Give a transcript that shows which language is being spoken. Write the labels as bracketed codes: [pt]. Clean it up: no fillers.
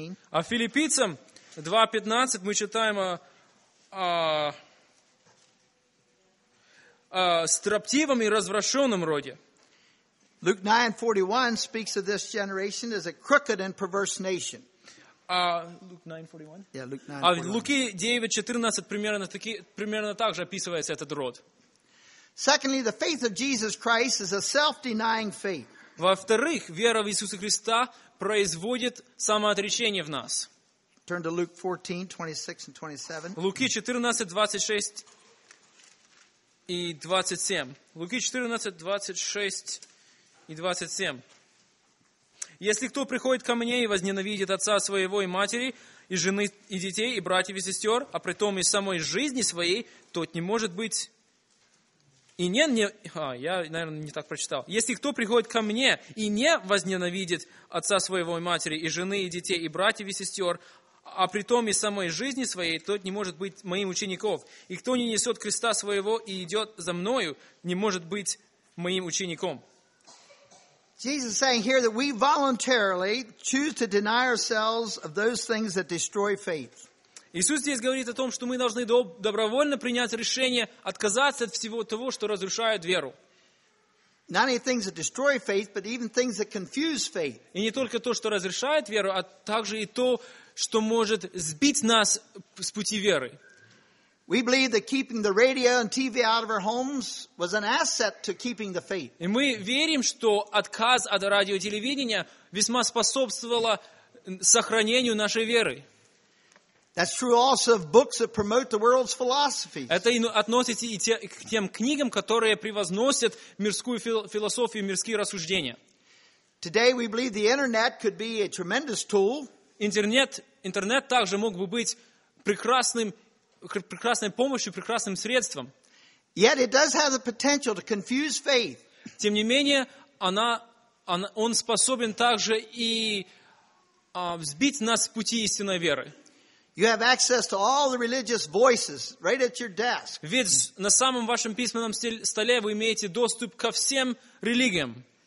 [ru] А Филиппийцам 2:15 мы читаем о строптивом и развращенном роде. [en] Luke 9:41 speaks of this generation as a crooked and perverse nation. Luke 9:41. Yeah, [ru] Луки 9:14 примерно так же описывается этот род. [en] Secondly, the faith of Jesus Christ is a self-denying faith. [ru] Во-вторых, вера в Иисуса Христа производит самоотречение в нас. [en] Turn to Luke 14:26-27. [ru] Луки 14:26-27. Если кто приходит ко мне и возненавидит отца своего и матери, и жены, и детей, и братьев, и сестер, а при том и самой жизни своей, тот не может быть... Если кто приходит ко мне и не возненавидит отца своего и матери, и жены, и детей, и братьев, и сестер, а при том и самой жизни своей, тот не может быть моим учеником. И кто не несет креста своего и идет за мною, не может быть моим учеником. [en] Jesus is saying here that we voluntarily choose to deny ourselves of those things that destroy faith. [ru] Иисус здесь говорит о том, что мы должны добровольно принять решение отказаться от всего того, что разрушает веру. [en] Not only things that destroy faith, but even things that confuse faith. [ru] И не только то, что разрушает веру, а также и то, что может сбить нас с пути веры. [en] We believe that keeping the radio and TV out of our homes was an asset to keeping the faith. [ru] И мы верим, что отказ от радио и телевидения весьма способствовало сохранению нашей веры. [en] That's true also of books that promote the world's philosophy. [ru] Это относится и к тем книгам, которые превозносят мирскую философию, мирские рассуждения. [en] Today we believe the internet could be a tremendous tool. [ru] Интернет также мог бы быть прекрасной помощью, прекрасным средством. [en] Yet it does have the potential to confuse faith. [ru] Тем не менее, он способен также и сбить нас с пути истинной веры. [en] You have access to all the religious voices right at your desk. [ru] Ведь на самом вашем письменном столе вы имеете доступ ко всем религиям.